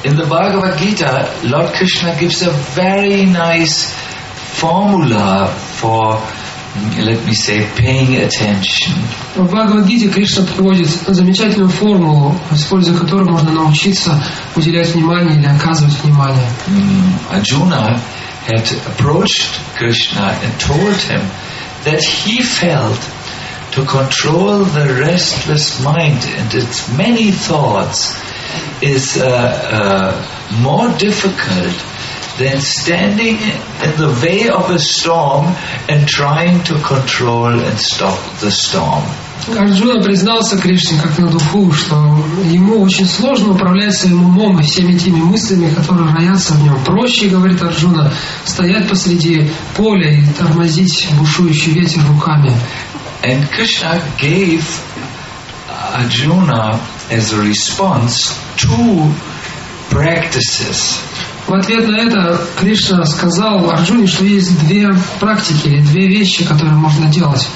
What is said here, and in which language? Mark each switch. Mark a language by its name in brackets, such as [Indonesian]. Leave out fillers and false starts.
[English] In the Bhagavad Gita, Lord Krishna gives a very nice formula for, let me say, paying attention. [Russian] В Бхагавад-гите Кришна приводит замечательную формулу, используя которую можно научиться уделять внимание или оказывать внимание. [English] Arjuna had approached Krishna and told him that he failed to control the restless mind and its many thoughts is more difficult than standing in the way of a storm and trying to control and stop the storm. [Russian] Арджуна признался Кришне, как на духу, что ему очень сложно управлять своим умом и всеми теми мыслями, которые роятся в нем. Проще, говорит Арджуна, стоять посреди поля и тормозить бушующий ветер руками. [English] And Krishna gave Arjuna as a response two practices. [Russian] В ответ на это Кришна сказал Арджуне, что есть две практики, две вещи, которые можно делать.